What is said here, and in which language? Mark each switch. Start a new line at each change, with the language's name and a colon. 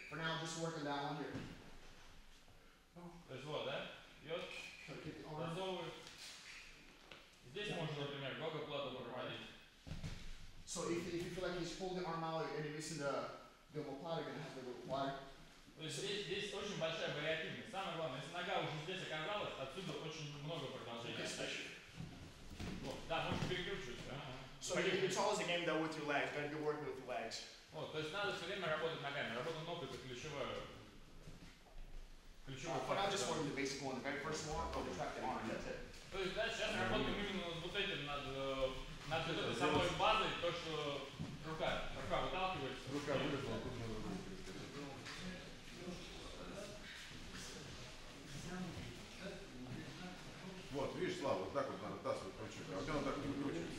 English: For now, just work on that one here. There's what, that? Yep. That's over. This one, for example, go to plot over my knee. So if you feel like he's pulling the arm out and you're missing the plot, you're gonna have to go wide. So this is
Russian: очень большая вариативность. Самое главное, если нога уже здесь оказалась, отсюда очень много продолжения. Okay, да, можешь перекручивать.
English: So it's always a game though with your legs, gotta be working with your legs.
Russian: Oh, то есть надо все время работать ногами. Работа ног это ключевой фактор.
English: I'm just working the basic one, the very first one, or the tractor arm, that's it.
Russian: То есть, да, сейчас работаем именно вот этим над самой базой, то, что рука выталкивается. Рука вылезла, тут надо будет. Вот, видишь, Слава, вот так вот надо таз выкручивать. А у тебя он так не выкручивает.